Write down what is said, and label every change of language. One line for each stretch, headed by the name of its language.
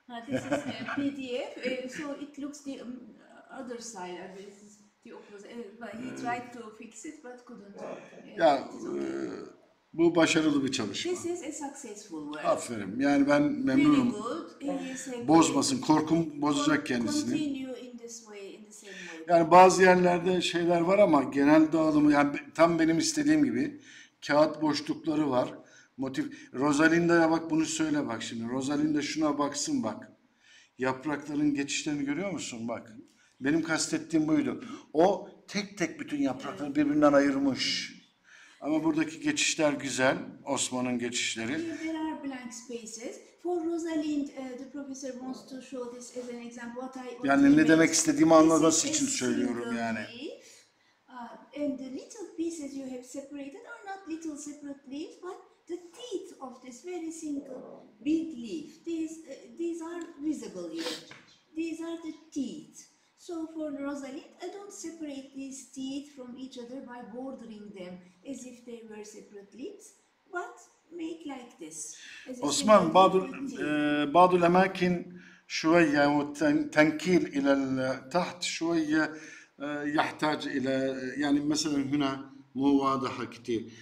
English: This is PDF. So it looks the other side. The opposite. He tried to fix it but couldn't.
Turkish: Ya... Bu başarılı bir çalışma.
English: This is a successful work.
Turkish: Aferin. Yani ben memnunum. Bozmasın. Korkum bozacak kendisini.
English: Continue in this way, in the same way.
Turkish: Yani bazı yerlerde şeyler var ama genel dağılımı yani tam benim istediğim gibi kağıt boşlukları var. Motif Rosalinda'ya bak bunu söyle bak şimdi. Rosalinda şuna baksın bak. Yaprakların geçişlerini görüyor musun bak? Benim kastettiğim buydu. O tek tek bütün yaprakları birbirinden ayırmış. Ama buradaki geçişler güzel. Osman'ın geçişleri.
English: There are blank spaces. For Rosalind, the professor wants to show this as an example. What I
Turkish: yani ne demek istediğimi anlaması için söylüyorum yani.
English: And the little pieces you have separated are not little separate leaves, but the teeth of this very single big leaf. These are visible here. These are the teeth. So for Rosalind, I don't separate these teeth from each other by bordering them as if they were separate leaves, but make like this.
Arabic: Osman, بعض الأماكن شوية وتنكيل إلى تحت شوية يحتاج إلى يعني مثلا هنا مو واضحة كتير.